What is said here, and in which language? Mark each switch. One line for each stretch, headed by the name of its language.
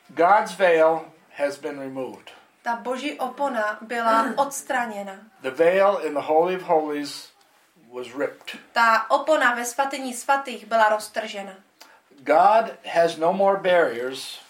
English: God's veil has been removed.
Czech: Ta Boží opona byla odstraněna.
English: The veil in the Holy of Holies was ripped.
Czech: Ta opona ve svatyni svatých byla roztržena.
English: God has no more barriers.